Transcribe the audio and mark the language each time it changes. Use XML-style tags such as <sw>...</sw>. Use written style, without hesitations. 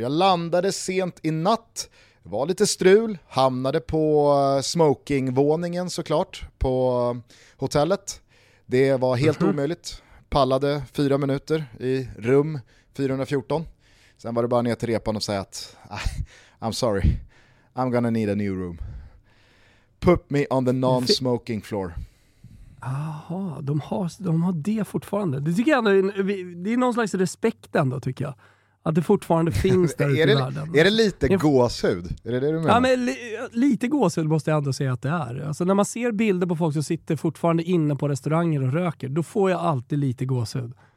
<sv>Jag landade sent i natt. Var lite strul, hamnade på smokingvåningen såklart på hotellet. Det var helt omöjligt. Pallade 4 minuter i rum 414. Sen var det bara ner till repan och säga att</sv> <en>I'm sorry, I'm gonna need a new room. Put me on the non-smoking floor.</en> <sv>Jaha, de har det fortfarande. Det tycker jag ändå, det är någon slags respekt ändå tycker jag. Att det fortfarande finns där ute i världen. Är det lite gåshud? Är det du menar? Ja, men lite gåshud måste jag ändå säga att det är. Alltså, när man ser bilder på folk som sitter fortfarande inne på restauranger och röker, då får jag alltid lite gåshud.</sv>